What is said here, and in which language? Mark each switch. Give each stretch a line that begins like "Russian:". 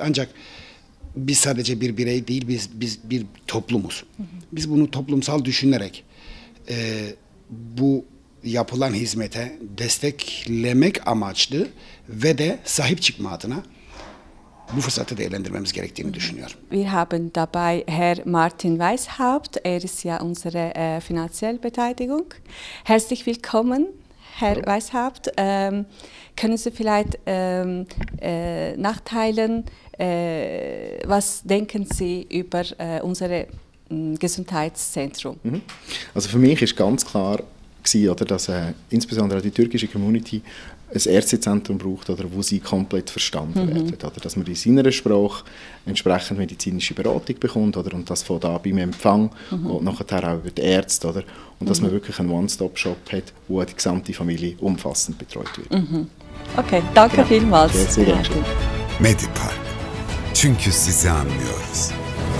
Turkish: Ancak biz sadece bir birey değil, biz bir toplumuz. Biz bunu toplumsal düşünerek bu yapılan hizmete desteklemek amaçlı ve de sahip çıkma adına bu fırsatı değerlendirmemiz gerektiğini düşünüyorum.
German: Wir haben dabei Herr Martin Weishaupt, er ist ja unsere finanzielle Beteiligung. Herzlich willkommen, Herr Weishaupt. Können Sie vielleicht nachteilen, was denken Sie über unser Gesundheitszentrum? Also für mich ist ganz klar gewesen, oder, dass insbesondere die türkische Community ein Ärztezentrum braucht, oder wo sie komplett verstanden werden. Oder dass man in seiner Sprache entsprechend medizinische Beratung bekommt, oder, und das von da beim Empfang und nachher auch über die Ärzte. Oder, und dass man wirklich einen One-Stop-Shop hat, wo die gesamte Familie umfassend betreut wird. Okay, danke vielmals. Sehr, sehr gerne.
Turkish: Medipark. Çünkü sizi anlıyoruz.